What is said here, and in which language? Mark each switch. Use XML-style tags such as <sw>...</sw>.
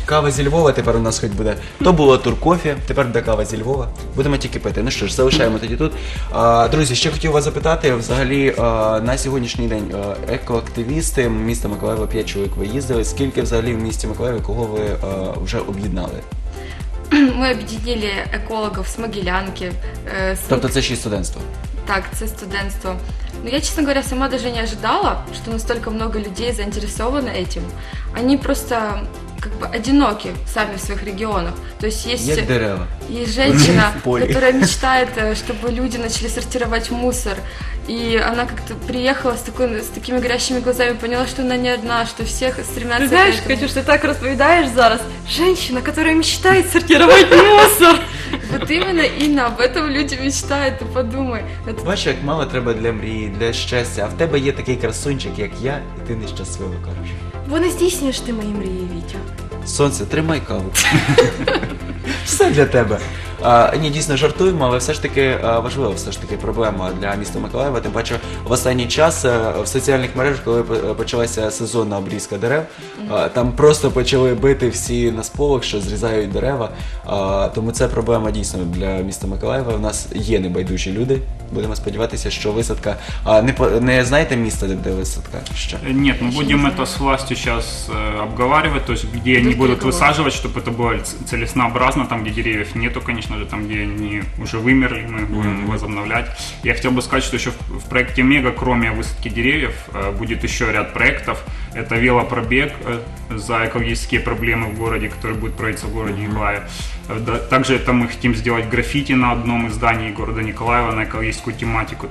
<uk>Кава зі Львова тепер у нас хоч буде. То було туркофі, тепер буде кава зі Львова. Будемо тільки пити. Ну що ж, залишаємо тоді тут. Друзі, ще хотів вас запитати, взагалі на сьогоднішній день екоактивісти міста Миколаєва, 5 чоловік ви їздили. Скільки взагалі в місті Миколаєві, кого ви вже об'єднали?</uk> <ru>Мы объединили экологов с Могилянки.</ru> <uk>Тобто це ще студентство? Так, це студентство.</uk> <ru>Но я, честно говоря, сама даже не ожидала, что настолько много людей заинтересованы этим. Они просто как бы одиноки сами в своих регионах. То есть есть женщина, которая мечтает, чтобы люди начали сортировать мусор. И она как-то приехала с такими горящими глазами, поняла, что она не одна, что всех стремятся к этому. Ты знаешь, Катюш, ты так расповедаешь зараз. Женщина, которая мечтает сортировать мусор. Вот именно, Инна, об этом люди мечтают, ты подумай.</ru> <uk>Бачиш, як мало треба для мрії, для щастя. А в тебе є такий красунчик, як я, і ти нещасливий, короче. Вони здійснюєш ти мої мрії, Вітю. Сонце, тримай каву. Все для тебе. Ні, дійсно жартуємо, але все ж таки важлива все ж таки проблема для міста Миколаєва. Тим паче в останній час в соціальних мережах, коли почалася сезонна обрізка дерев, там просто почали бити всі на сполох, що зрізають дерева. Тому це проблема дійсно для міста Миколаєва. У нас є небайдужі люди. Будемо сподіватися, що висадка. Не знаєте місто, де висадка? Що? Ні, ми будемо це з властю зараз обговорювати, тобто де вони будуть висаджувати, щоб це було цілеснообразно, там де деревів нету,</uk> <ru>конечно же, там, где они уже вымерли, мы будем возобновлять. Я хотел бы сказать, что еще в проекте Мега, кроме высадки деревьев, будет еще ряд проектов. Это велопробег за экологические проблемы в городе, который будет проводиться в городе Николаев. Также это мы хотим сделать граффити на одном из зданий города Николаева на экологическую тематику.</ru>